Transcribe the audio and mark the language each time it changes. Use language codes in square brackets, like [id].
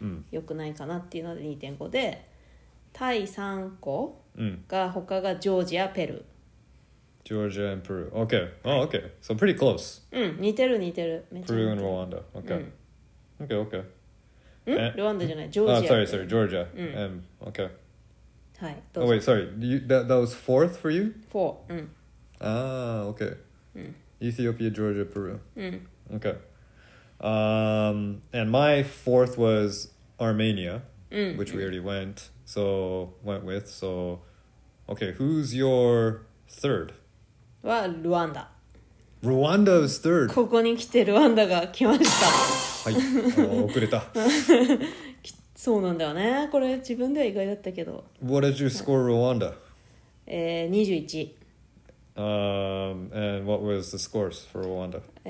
[ja] 良くないかなっていうので 2.5 で、タイ3個が、うん、他がジョージア、ペル [en] ー。 ジョージア and ペルー。OK、oh, OK、 So pretty close。 [ja] うん、似てる似てる、 [en] めっちゃ。ペルー and ロワンダ。OK、うん、OK OK。ん？ [ja] ロワンダじゃない、ジョージア。 [en] Sorry sorry、 ジョージア、うん、 OK。 [ja] はい、 [en] どうぞ。 Oh wait, sorry, you, that was fourth for you? Four、 うん。 Ah, OK、うん、 Ethiopia, Georgia, Peru、うん、 OK、and my fourth was Armenia、うん、 which we already went、うん、so went with, so OK, who's your third? [ja] はルワンダ。 [en] Rwanda is third? [ja] ここに来てルワンダが来ました。はい、遅れた。そうなんだよね、これ自分では意外だったけど。 [en] What did you score Rwanda? 21。 And what was the scores for Rwanda?